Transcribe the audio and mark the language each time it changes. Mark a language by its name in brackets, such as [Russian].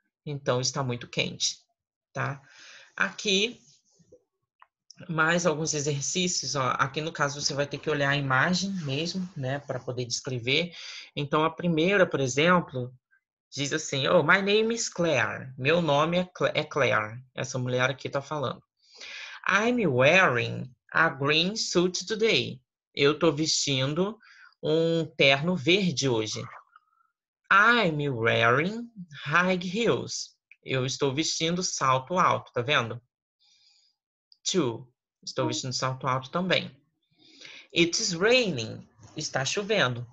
[Portuguese] Então está muito quente. Tá? Aqui, mais alguns exercícios. Ó. Aqui no caso você vai ter que olhar a imagem mesmo, né, para poder descrever. Então a primeira, por exemplo. Diz assim, [English] oh, my name is Claire. [Portuguese] Meu nome é Claire. Essa mulher aqui tá falando. [English] I'm wearing a green suit today. [Portuguese] Eu tô vestindo um terno verde hoje. [English] I'm wearing high heels. [Portuguese] Eu estou vestindo salto alto, tá vendo? Two. Estou vestindo salto alto também. [English] It's raining. [Portuguese] Está chovendo.